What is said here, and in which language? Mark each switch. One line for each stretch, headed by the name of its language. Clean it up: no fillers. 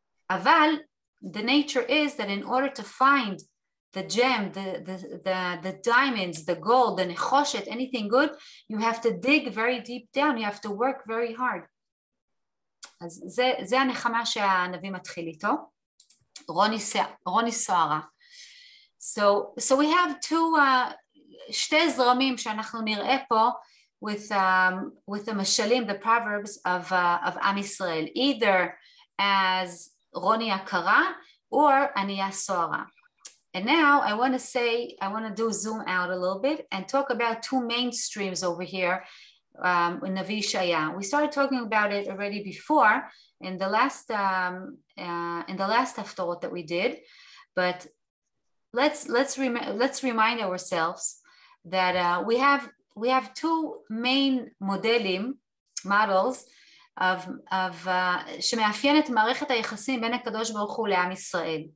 English: אבל the nature is that in order to find the gem, the diamonds, the gold, the נחושת, anything good, you have to dig very deep down. You have to work very hard.
Hebrew: אז זה הנחמה שהנביא מתחיל איתו. רוני סוערה.
English: So we have
Hebrew: שתי זרמים שאנחנו נראה פה
English: with the משלים, the proverbs of עם ישראל. Either as רוני הקרה or ענייה סוערה. And now I want to do zoom out a little bit and talk about two mainstreams over here. Navi Shaya. We started talking about it already before in the last haftorot that we did, but let's remind ourselves that we have two main models of
Hebrew: שמאפיינת מערכת היחסים בין הקדוש ברוך הוא לעם ישראל.